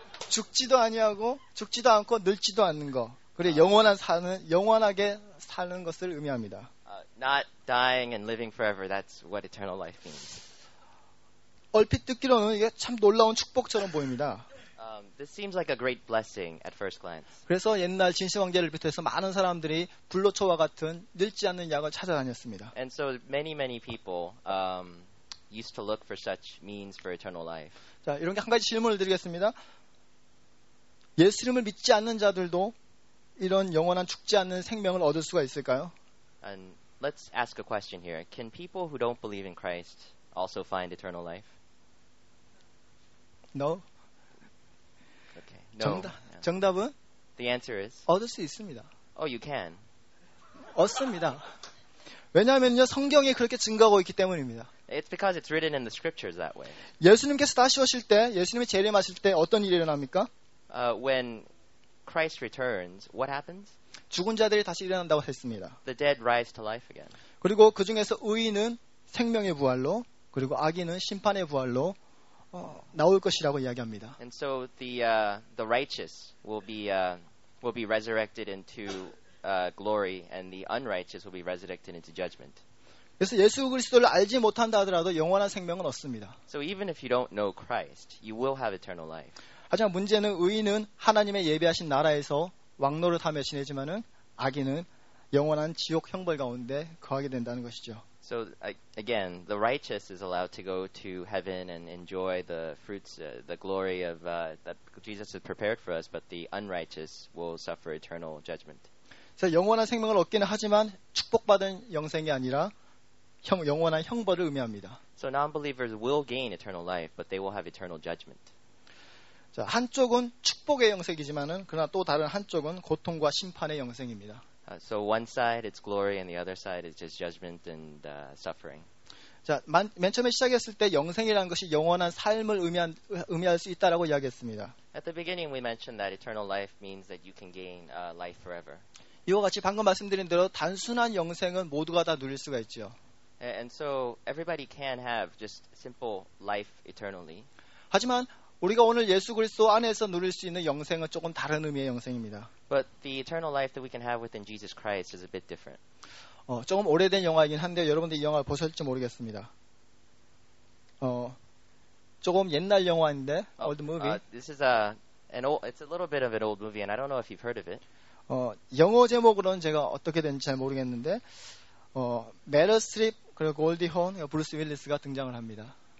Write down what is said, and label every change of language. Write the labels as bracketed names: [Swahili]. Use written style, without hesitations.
[Korean] 죽지도 아니하고 죽지도 않고 늙지도 않는 거. 그리고 영원한 사는 영원하게 사는 것을 의미합니다. [English] Not dying and living forever. That's what eternal life means. [Korean] 얼핏 듣기로는 이게 참 놀라운 축복처럼 보입니다. [English] This seems like a great blessing at first glance. [Korean] 그래서 옛날 진시 황제를 비롯해서 많은 사람들이 불로초와 같은 늙지 않는 약을 찾아다녔습니다. [English] And so many people used to look for such means for eternal life. [Korean] 자, 이런 게 한 가지 질문을 드리겠습니다. 예수님을 믿지 않는 자들도 이런 영원한 죽지 않는 생명을 얻을 수가 있을까요? [English] And let's ask a question here. Can people who don't believe in Christ also find eternal life? No. Okay. No. [Korean] 정답은? [English] The answer is. [Korean] 얻을 수 있습니다. [English] Oh, you can. [Korean] 얻습니다. 왜냐하면요, 성경이 그렇게 증거하고 있기 때문입니다. [English] It's because it's written in the scriptures that way. [Korean] 예수님께서 다시 오실 때, 예수님이 재림하실 때 어떤 일이 일어납니까? [English] When Christ returns, what happens? [Korean] 죽은 자들이 다시 일어난다고 했습니다. [English] The dead rise to life again. [Korean] 그리고 그 중에서 의인은 생명의 부활로, 그리고 악인은 심판의 부활로 나올 것이라고 이야기합니다. [English] And so the righteous will be resurrected into glory, and the unrighteous will be resurrected into judgment. [Korean] 그래서 예수 그리스도를 알지 못한다 하더라도 영원한 생명은 없습니다. [English] So even if you don't know Christ, you will have eternal life. [Korean] 하지만 문제는 의인은 하나님의 예비하신 나라에서 왕 노릇하며 지내지만은 악인은 영원한 지옥 형벌 가운데 거하게 된다는 것이죠. [English] So again, the righteous is allowed to go to heaven and enjoy the fruits, the glory of that Jesus has prepared for us, but the unrighteous will suffer eternal judgment. [Korean] 그래서 영원한 생명을 얻기는 하지만 축복받은 영생이 아니라 영원한 형벌을 의미합니다. [English] So non-believers will gain eternal life, but they will have eternal judgment. [Korean] 자, 한쪽은 축복의 영생이지만은 그러나 또 다른 한쪽은 고통과 심판의 영생입니다. [English] So one side it's glory and the other side is just judgment and suffering. [Korean] 자, 맨 처음에 시작했을 때 영생이라는 것이 영원한 삶을 의미할 수 있다라고 이야기했습니다. [English] At the beginning we mentioned that eternal life means that you can gain life forever. [Korean] 이와 같이 방금 말씀드린 대로 단순한 영생은 모두가 다 누릴 수가 있죠. [English] And so everybody can have just simple life eternally. [Korean] 하지만 우리가 오늘 예수 그리스도 안에서 누릴 수 있는 영생은 조금 다른 의미의 영생입니다. [English] But the eternal life that we can have within Jesus Christ is a bit different. [Korean] 조금 오래된 영화이긴 한데 여러분들 이 영화를 보셨을지 모르겠습니다. 조금 옛날 영화인데 [English] old movie. This is it's a little bit of an old movie and I don't know if you've heard of it. [Korean] 영어 제목으로는 제가 어떻게 된지 잘 모르겠는데 Meryl Streep 그리고 골디 혼 브루스 윌리스가 등장을 합니다.